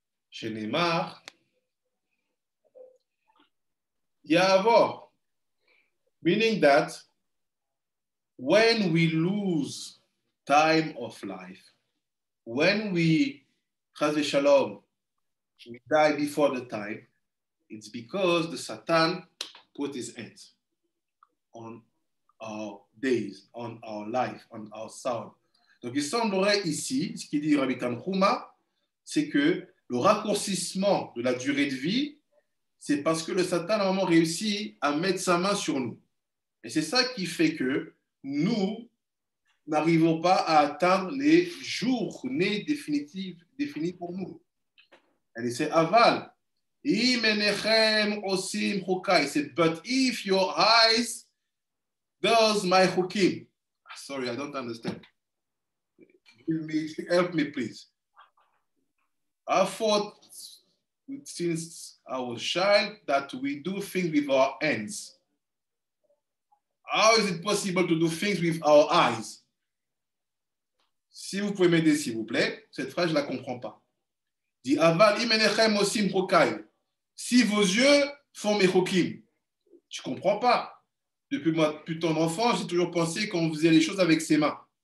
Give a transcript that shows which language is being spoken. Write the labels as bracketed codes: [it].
[en] Shenemar, Yavor, meaning that when we lose time of life, when we chas v'shalom, we die before the time, it's because the Satan put his hands on our days, on our life, on our soul. [fr] Donc il semblerait ici, ce qu'il dit Rabbi Tanhuma, c'est que le raccourcissement de la durée de vie, c'est parce que le Satan a vraiment réussi à mettre sa main sur nous. Et c'est ça qui fait que nous n'arrivons pas à atteindre les jours nés définitifs, définis pour nous. Elle dit, [he] aval, imenechem osim chukai. [fr] Il dit, [en] but if your eyes does my chukim. Sorry, I don't understand. Help me, please. I thought since I was a child that we do things with our hands. How is it possible to do things with our eyes? [fr] Si vous pouvez m'aider, s'il vous plaît, cette phrase, je ne la comprends pas. Dit Aval Imenechem Osim Rokai. Si vos yeux font mes chokim, je ne comprends pas. Depuis ma plus tendre enfance, j'ai toujours pensé qu'on faisait les choses avec ses mains.